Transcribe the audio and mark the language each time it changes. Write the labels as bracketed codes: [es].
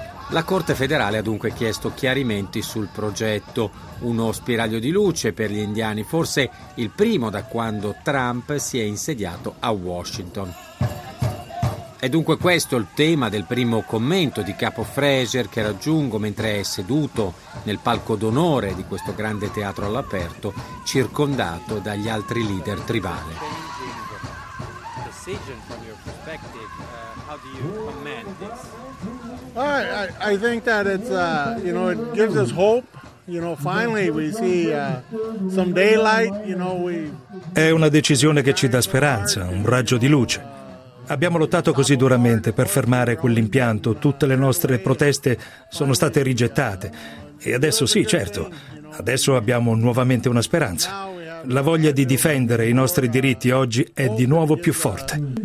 [it] La Corte federale ha dunque chiesto chiarimenti sul progetto, uno spiraglio di luce per gli indiani, forse il primo da quando Trump si è insediato a Washington. È dunque questo il tema del primo commento di Capo Fraser che raggiungo mentre è seduto nel palco d'onore di questo grande teatro all'aperto, circondato dagli altri leader tribali. [en] decision from your perspective, how do you commend this? I think that it's, it gives us hope. Finally we see some daylight, [it] È una decisione che ci dà speranza, un raggio di luce. Abbiamo lottato così duramente per fermare quell'impianto, tutte le nostre proteste sono state rigettate. E adesso sì, certo, adesso abbiamo nuovamente una speranza. La voglia di difendere i nostri diritti oggi è di nuovo più forte.